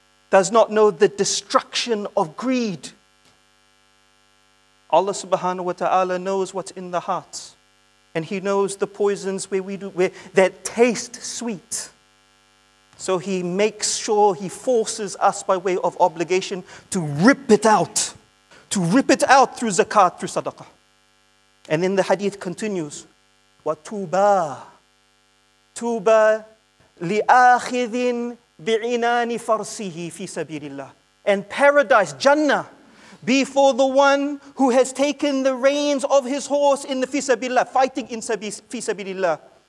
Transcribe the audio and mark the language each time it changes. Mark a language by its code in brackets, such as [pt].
[en] Does not know the destruction of greed? Allah subhanahu wa ta'ala knows what's in the hearts, and he knows the poisons where that taste sweet. So he makes sure, he forces us by way of obligation to rip it out. To rip it out through zakat, through sadaqah. And then the hadith continues, [ar] وَتُوبَى تُوبَى لِآخِذٍ بِعِنَانِ فَرْسِهِ فِي سَبِيلِ اللَّهِ. [en] And paradise, Jannah, before the one who has taken the reins of his horse in the fi sabilillah, fighting in fi sabilillah.